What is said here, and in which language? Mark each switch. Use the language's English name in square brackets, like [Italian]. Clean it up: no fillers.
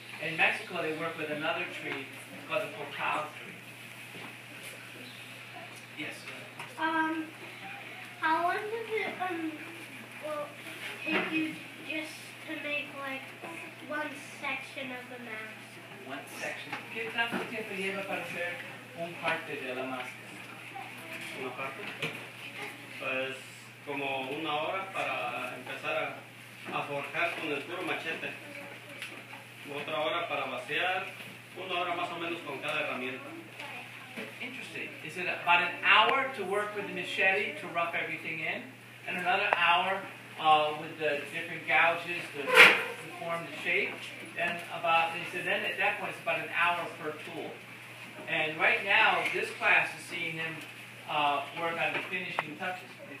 [English] In Mexico, they work with another tree called the cacao tree. Yes? How long does it take you just to make like one section of the mask? One section? [Spanish] ¿Qué tanto tiempo lleva para hacer un parte de la máscara? ¿Una parte? Pues como una hora para empezar a forjar con el puro machete. Otra hora para vaciar, una hora más o menos con cada herramienta. [English] Interesting. Is it about an hour to work with the machete to rough everything in, and another hour with the different gouges to form the shape? Then at that point it's about an hour per tool. And right now this class is seeing him work on the finishing touches.